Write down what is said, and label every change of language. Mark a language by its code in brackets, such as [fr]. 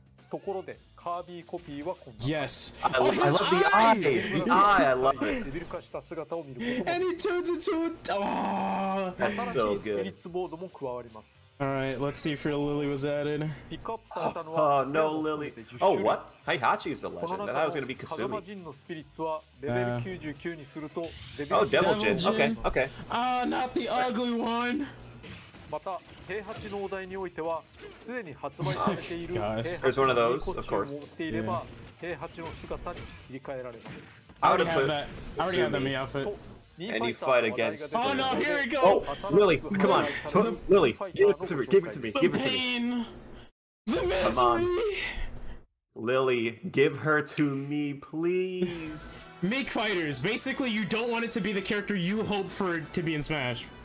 [ja] ところでカービィコピーはこんな [en] Yes. I love the eye. The eye. I love it. [ja] デビル化した姿を見ることも [en] And he turns into a... That's so good. [ja] スピリッツボードも加わります [en] Alright, let's see if real Lily was added. [ja] ピックアップされたのは [en] Oh, no Lily. Oh, what? Heihachi is the legend. That was going to be Kasumi. [ja] この中の鹿魔人のスピリッツはレベル99にすると [en] Oh, Devil Jin. Okay. Ah, not the ugly one. [ja] また平八のお題においてはすでに発売されている平八のコスチュームを持っていれば平八の姿に切り替えられます。 [en] And you fight against. Oh no! Here we go! Oh, Lily, come on, Lily, give it to me, give it to me, give it to me. The pain, the misery. Lily, give her to me, please. Make fighters. Basically, you don't want it to be the character you hope for to be in Smash.